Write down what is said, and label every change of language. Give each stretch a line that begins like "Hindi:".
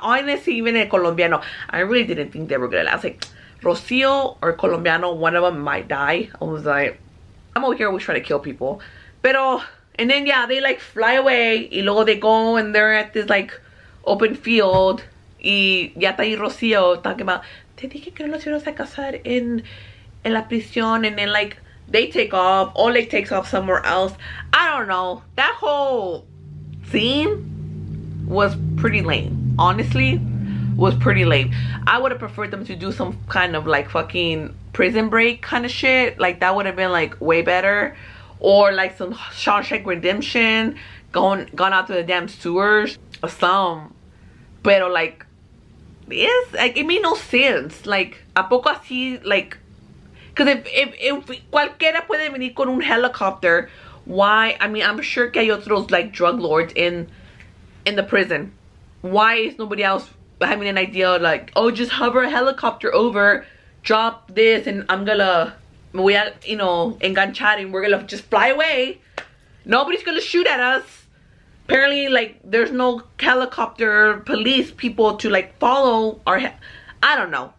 English: Honestly, even El Colombiano. I really didn't think they were gonna last. Like, Rocio or Colombiano, one of them might die. I was like, I'm over here always trying to kill people.
Spanish: Pero,
English: and then, yeah, they, like, fly away.
Spanish: Y luego
English: they go and they're at this, like, open field.
Spanish: Y ya está ahí Rocío
English: talking about,
Spanish: te dije que no los ibas a casar en la prisión.
English: And then, like, they take off. Oleg takes off somewhere else. I don't know. That whole scene was pretty lame. Honestly, was pretty lame. I would have preferred them to do some kind of, like, fucking prison break kind of shit. Like, that would have been like way better. Or like some Shawshank Redemption, gone out to the damn sewers, or some
Spanish: Pero,
English: like, yes, like, it made no sense.
Spanish: Like, ¿a poco así, like,
English: because if
Spanish: cualquiera puede venir con un helicopter,
English: why? I mean, I'm sure
Spanish: que hay otros,
English: like, drug lords in the prison. Why is nobody else having an idea, like, oh, just hover a helicopter over, drop this, and I'm gonna, we are, you know,
Spanish: enganchar,
English: and we're gonna just fly away. Nobody's gonna shoot at us. Apparently, like, there's no helicopter police people to, like, follow our, I don't know.